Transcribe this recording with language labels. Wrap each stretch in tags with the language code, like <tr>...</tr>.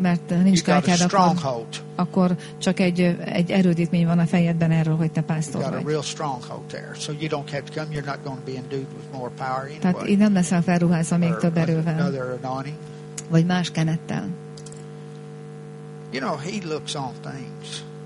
<hu>Mert nincs kártyád, akkor csak egy erődítmény van a fejedben erről, hogy te pásztor vagy.</hu> <en>You got a real stronghold there, so you don't have to come. You're not going to be endued with more power anyway.</en> <hu>Tehát így nem leszel felruházva még több erővel.</hu> <en>Another anointing.</en> <hu>Vagy más kenettel.</hu> <en>You know, he looks on things.</en>